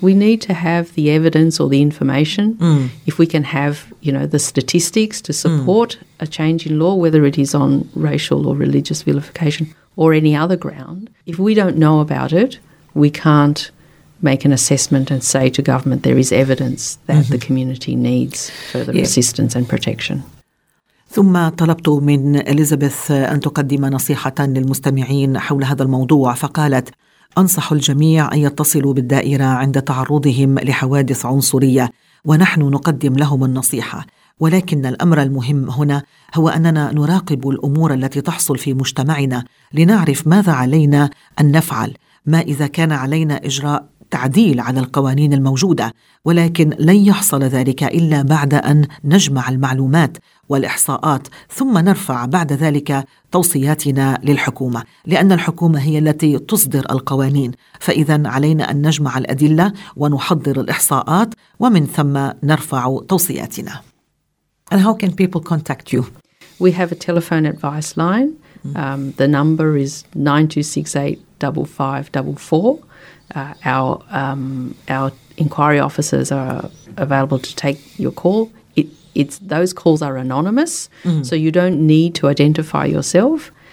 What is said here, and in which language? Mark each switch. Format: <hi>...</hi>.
<en>We need to have the evidence or the information. If we can have, the statistics to support a change in law, whether it is on racial or religious vilification or any other ground, if we don't know about it, we can't make an assessment and say to government there is evidence that the community needs further assistance and protection.</en> <ar>ثم طلبت من إليزابيث أن تقدم نصيحة للمستمعين حول هذا الموضوع، فقالت: أنصح الجميع أن يتصلوا بالدائرة عند تعرضهم لحوادث عنصرية، ونحن نقدم لهم النصيحة، ولكن الأمر المهم هنا هو أننا نراقب الأمور التي تحصل في مجتمعنا لنعرف ماذا علينا أن نفعل، ما إذا كان علينا إجراء تعديل على القوانين الموجودة، ولكن لن يحصل ذلك إلا بعد أن نجمع المعلومات والإحصاءات، ثم نرفع بعد ذلك توصياتنا للحكومة، لأن الحكومة هي التي تصدر القوانين، فإذا علينا أن نجمع الأدلة ونحضر الإحصاءات ومن ثم نرفع توصياتنا.</ar> <en>And how can people contact you? We have a telephone advice line. The number is 9268-5544. Our inquiry officers are available to take your call. It's those calls are anonymous, so you don't need to identify yourself.</en>